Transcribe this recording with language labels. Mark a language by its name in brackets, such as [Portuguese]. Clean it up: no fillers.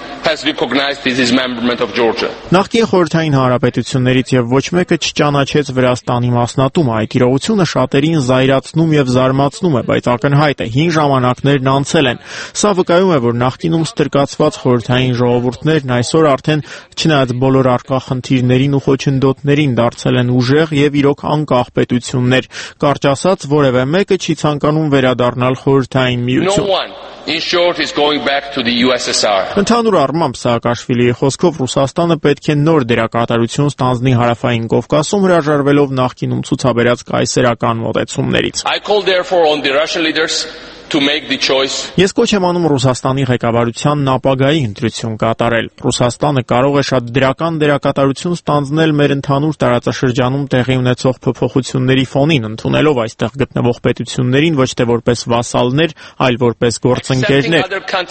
[Armenian] Նախկին խորհրդային հանրապետություններից և ոչ մեկը չճանաչեց Վրաստանի մասնատումը, այդ իրողությունը շատերին զայրացնում և զարմացնում է, բայց ակնհայտ է, հին ժամանակներն անցել են։ Սա վկայում է, որ նախկինում ստրկացված խորհրդային ժողովուրդներն այսօր արդեն, չնայած բոլոր արկախնդիրներին ու խոչընդոտներին, դարձել են ուժեղ և իրոք անկախ պետություններ։ Կարճ ասած, որևէ մեկը չի ցանկանում վերադառնալ խորհրդային միություն։ [English] In short, is going back to the USSR. [Armenian] Ընդհանուր առմամբ, Սահակաշվիլիի խոսքով, Ռուսաստանը պետք է նոր դերակատարություն ստանձնի Հարավային Կովկասում, հրաժարվելով նախկինում ցուցաբերած կայսերական մոտեցումներից։ [English] I call therefore on the Russian leaders to make the choice. [Armenian] Ես կոչ եմ անում Ռուսաստանի ղեկավարությանն ապագայի ընտրություն կատարել։ Ռուսաստանը կարող է շատ դրական դերակատարություն ստանձնել մեր ընդհանուր տարածաշրջանում տեղի ունեցող փոփոխությունների ֆոնին, ընդունելով այստեղ գտնվող պետություններին ոչ թե որպես վասալներ, այլ որպես գործընկերներ։